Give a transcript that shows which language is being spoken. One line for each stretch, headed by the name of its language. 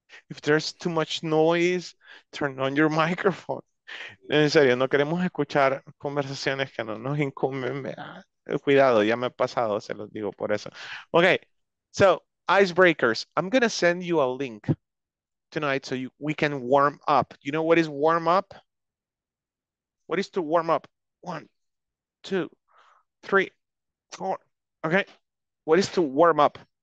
English: If there's too much noise, turn on your microphone.
Spanish: En serio, no queremos escuchar conversaciones que no nos incumben. Cuidado, ya me ha pasado, se los digo por eso.
English: Okay, so icebreakers. I'm going to send you a link tonight so we can warm up. You know what is warm up? What is to warm up? 1, 2, 3, 4. Okay, what is to warm up?